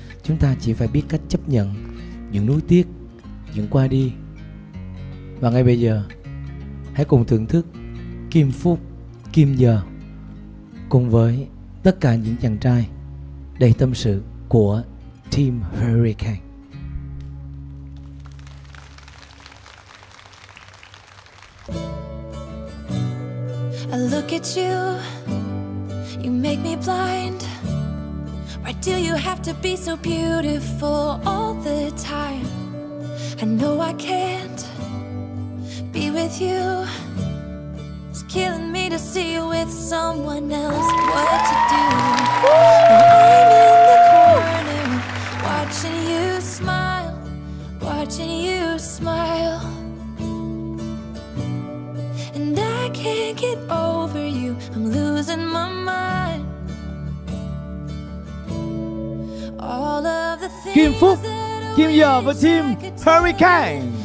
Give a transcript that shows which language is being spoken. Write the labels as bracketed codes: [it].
[vi] Chúng ta chỉ phải biết cách chấp nhận những nuối tiếc, những qua đi. Và ngay bây giờ, hãy cùng thưởng thức Kim Phúc, Kim Giờ cùng với tất cả những chàng trai đầy tâm sự của Team Hurricane. [en] I look at you, you make me blind. Why do you have to be so beautiful all the time? I know I can't be with you. It's killing me to see you with someone else. What to do? I'm in the corner watching you smile, watching you smile. And I can't get over you, I'm losing my mind. All of the things Kim Phúc, Kim Giờ và Team Hurricane.